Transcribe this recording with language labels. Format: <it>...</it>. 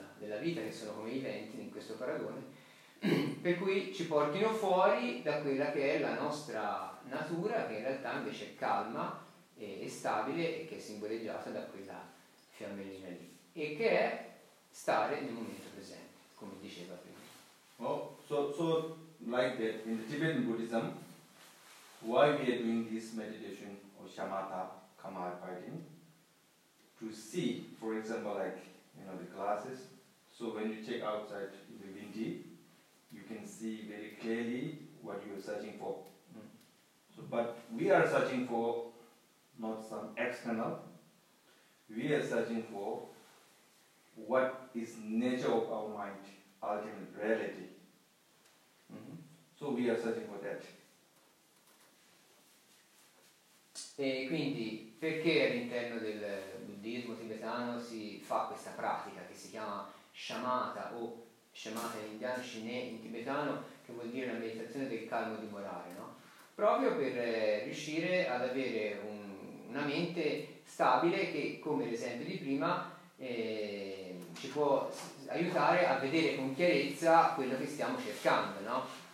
<it>della vita, che sono come i venti in questo paragone, per cui ci portino fuori da quella che è la nostra natura, che in realtà invece è calma e stabile, e che è simboleggiata da quella fiammellina lì, e che è stare nel momento presente, come diceva prima.</it> <en>Oh, so like that in the Tibetan Buddhism, why we are doing this meditation or shamatha kamala fighting, to see, for example, like, you know, the glasses. So when you check outside in the windy, you can see very clearly what you are searching for. Mm. So, but we are searching for not some external, we are searching for what is nature of our mind, ultimate reality. Mm-hmm. So we are searching for that.</en> <it>E quindi perché all'interno del buddismo tibetano si fa questa pratica che si chiama shamatha, o shamatha in indiano, shine in tibetano, che vuol dire una meditazione del calmo dimorale, no? Proprio per riuscire ad avere una mente stabile che, come l'esempio di prima, ci può aiutare a vedere con chiarezza quello che stiamo cercando, no?</it>